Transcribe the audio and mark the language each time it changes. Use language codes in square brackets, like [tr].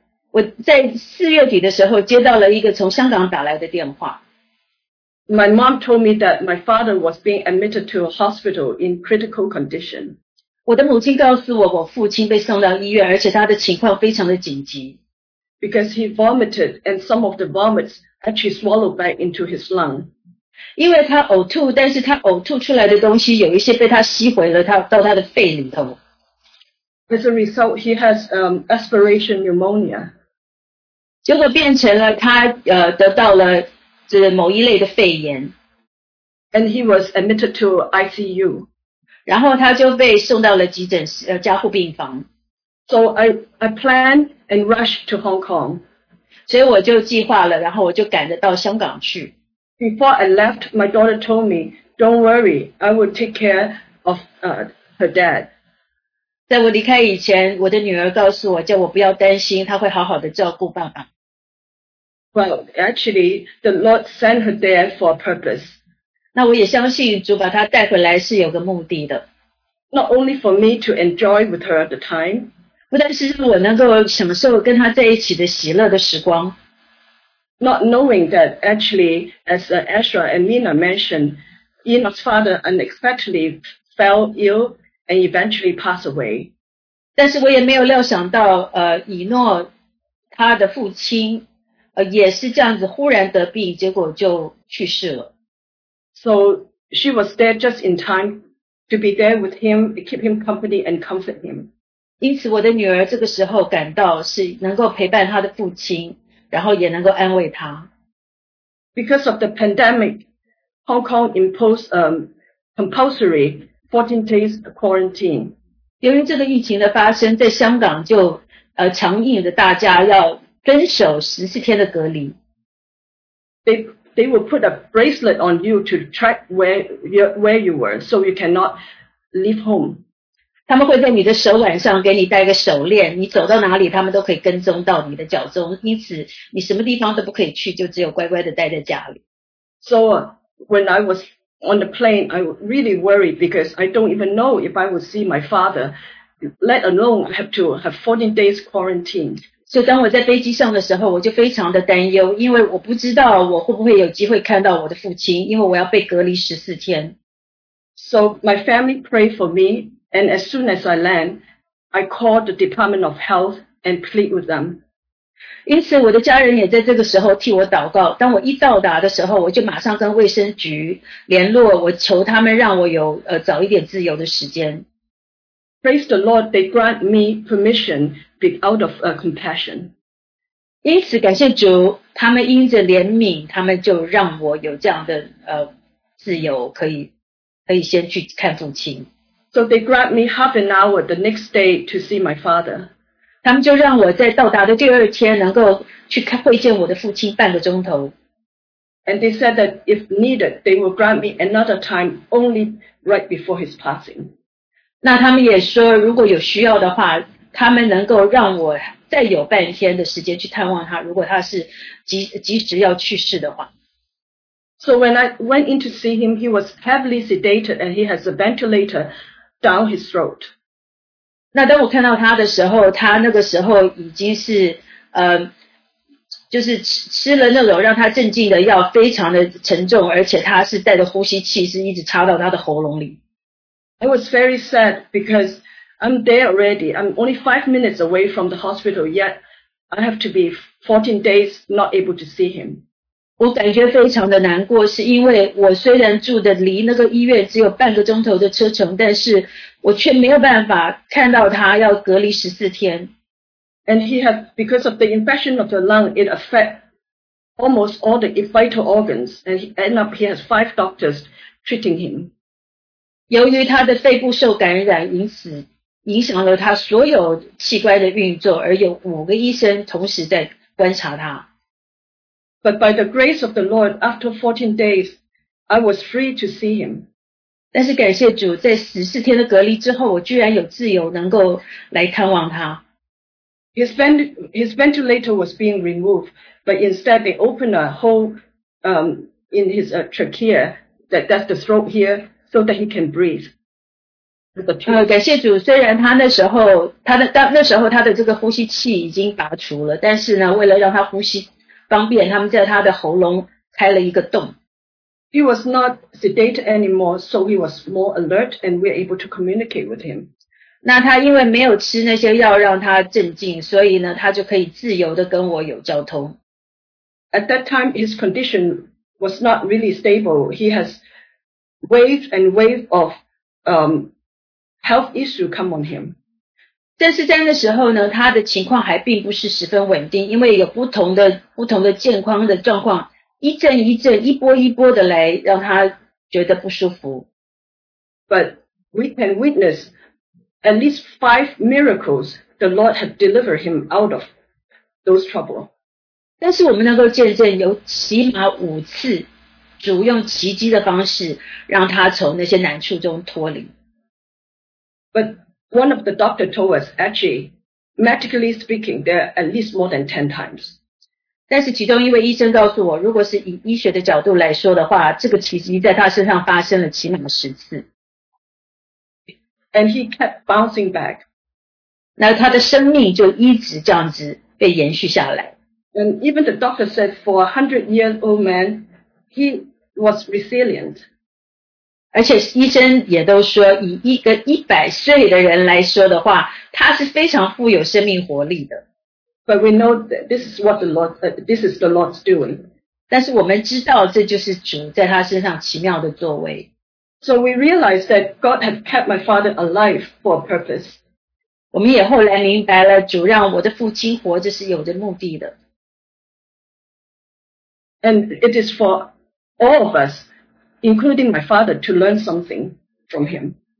[zh] 我在四月底的时候接到了一个从香港打来的电话。 [en] My mom told me that my father was being admitted to a hospital in critical condition. [zh] 我的母亲告诉我，我父亲被送到医院，而且他的情况非常的紧急。 [en] Because he vomited and some of the vomits actually swallowed back into his lung. [zh] 因为他呕吐，但是他呕吐出来的东西有一些被他吸回了他到他的肺里头。 [en] As a result, he has aspiration pneumonia. [zh] 结果变成了他得到了是某一类的肺炎。 [en] And he was admitted to ICU. [zh] 然后他就被送到了急诊室加护病房。 [en] So I planned and rushed to Hong Kong. [zh] 所以我就计划了然后我就赶着到香港去。 [en] Before I left, my daughter told me, don't worry, I will take care of her dad. [zh] 在我离开以前我的女儿告诉我叫我不要担心她会好好的照顾爸爸。 [en] Well, actually, the Lord sent her there for a purpose. [zh] 那我也相信主把她带回来是有个目的的。 [en] Not only for me to enjoy with her at the time. [zh] 不但是我能够享受跟她在一起的喜乐的时光。 [en] Not knowing that actually, as Ezra and Mina mentioned, Enoch's father unexpectedly fell ill and eventually passed away. [zh] 但是我也没有料想到以诺他的父亲也是这样子忽然得病结果就去世了。 [en] So she was there just in time to be there with him, keep him company and comfort him. [zh] 因此我的女儿这个时候感到是能够陪伴她的父亲然后也能够安慰她。 [en] Because of the pandemic, Hong Kong imposed compulsory 14 days quarantine. [zh] 由于这个疫情的发生在香港就强硬的大家要遵守14天的隔离。 [en] They will put a bracelet on you to track where you were, so you cannot leave home. [zh] 他们会在你的手腕上给你戴个手链，你走到哪里，他们都可以跟踪到你的脚踪。因此，你什么地方都不可以去，就只有乖乖的待在家里。 [en] So when I was on the plane, I really worried because I don't even know if I would see my father, let alone have 14 days quarantine. [zh] 所以当我在飞机上的时候，我就非常的担忧，因为我不知道我会不会有机会看到我的父亲，因为我要被隔离14天。 [en] So my family prayed for me, and as soon as I land, I called the Department of Health and plead with them. [zh] 因此我的家人也在这个时候替我祷告，当我一到达的时候，我就马上跟卫生局联络，我求他们让我有早一点自由的时间。 [en] Praise the Lord, they grant me permission out of compassion. [zh] 因此感谢主，他们因着怜悯，他们就让我有这样的自由，可以先去看父亲。 [en] So they grant me half an hour the next day to see my father. [zh] 他们就让我在到达的第二天能够去会见我的父亲半个钟头。 [en] And they said that if needed, they will grant me another time only right before his passing. [zh] 那他们也说如果有需要的话，他们能够让我再有半天的时间去探望他，如果他是 及时要去世的话。 [en] So when I went in to see him, he was heavily sedated and he has a ventilator down his throat. [zh] 那当我看到他的时候，他那个时候已经是就是 吃了那种让他镇静的药，非常的沉重，而且他是带着呼吸器是一直插到他的喉咙里。 [en] I was very sad because I'm there already. I'm only 5 minutes away from the hospital, yet I have to be 14 days not able to see him. [zh] 我感觉非常的难过，是因为我虽然住的离那个医院只有半个钟头的车程，但是我却没有办法看到他，要隔离14天。 [en] And he had, because of the infection of the lung, it affects almost all the vital organs, and end up he has 5 doctors treating him. [zh] 由于他的肺部受感染，因此影响了他所有器官的运作，而有5医生同时在观察他。 [en] But by the grace of the Lord, after 14 days, I was free to see him. 但是感谢主，在14天的隔离之后，我居然有自由能够来探望他。 His ventilator was being removed, but instead they opened a hole in his trachea, that's the throat here. So that he can breathe. [zh] 感谢主，虽然他那时候，那时候他的这个呼吸器已经拔除了，但是呢，为了让他呼吸方便，他们在他的喉咙开了一个洞。 [en] He was not sedated anymore, so he was more alert, and we're able to communicate with him. [zh] 那他因为没有吃那些药让他镇静，所以呢，他就可以自由的跟我有交通。 [en] At that time, his condition was not really stable. He has. Wave and wave of health issue come on him. [zh] 但是在那时候呢，他的情况还并不是十分稳定，因为有不同的健康的状况，一阵一阵，一波一波的来，让他觉得不舒服。 [en] But we can witness at least 5 miracles the Lord had delivered him out of those trouble. [zh] 但是我们能够见证有起码五次。主用奇迹的方式让他从那些难处中脱离。 [en] But one of the doctors told us, actually, medically speaking, there are at least more than 10 times. [zh] 但是其中一位医生告诉我，如果是以医学的角度来说的话，这个奇迹在他身上发生了起码10次。 [en] And he kept bouncing back. [zh] 那他的生命就一直这样子被延续下来。 [en] And even the doctor said, for a 100-year-old man,He was resilient. [zh] 而且医生也都说，以一个100岁的人来说的话，他是非常富有生命活力的。 [en] But we know that this is what the Lord, this is the Lord's doing. [zh] 但是我们知道，这就是主在他身上奇妙的作为。 [en] So we realize that God had kept my father alive for a purpose. [zh] 我们也后来明白了，主让我的父亲活着是有着目的的。 [en] And it is for all of us, including my father, to learn something from him.